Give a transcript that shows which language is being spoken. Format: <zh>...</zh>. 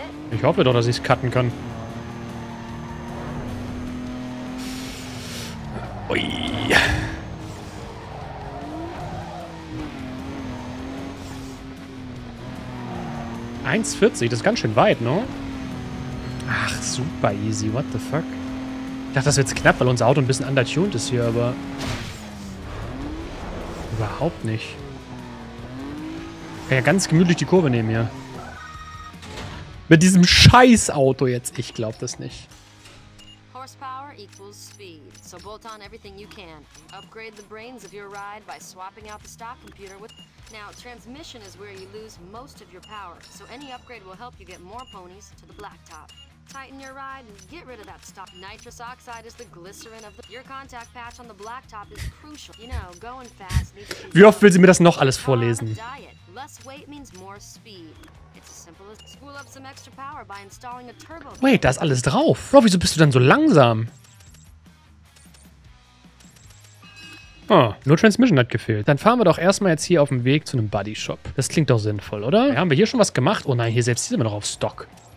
<de>Ich hoffe doch, dass ich es cutten kann. Ui. ...1,40, das ist ganz schön weit, ne?</de> <en>Ach, super easy, what the fuck?</en> <de>Ich dachte, das wird's knapp, weil unser Auto ein bisschen undertuned ist hier, aber... ...überhaupt nicht. Ich kann ja ganz gemütlich die Kurve nehmen hier. Mit diesem Scheißauto jetzt, ich glaub das nicht.</de> <en>Horsepower equals speed. So bolt on everything you can. Upgrade the brains of your ride by swapping out the stock computer with... Now, transmission is where you lose most of your power. So any upgrade will help you get more ponies to the blacktop. Tighten your ride and get rid of that stuff. Nitrous oxide is the glycerin of the... Your contact patch on the blacktop is crucial. You know, going fast needs to...</en> <de>Wie oft will sie mir das noch alles vorlesen?</de> <en>Less weight means more speed. It's as simple as spool up some extra power by installing a turbo...</en> <de>Wait, da ist alles drauf. Bro, wieso bist du dann so langsam? Oh, nur Transmission hat gefehlt. Dann fahren wir doch erstmal jetzt hier auf dem Weg zu einem Body Shop. Das klingt doch sinnvoll, oder? Ja, haben wir hier schon was gemacht? Oh nein, hier selbst sind wir noch auf Stock.</de>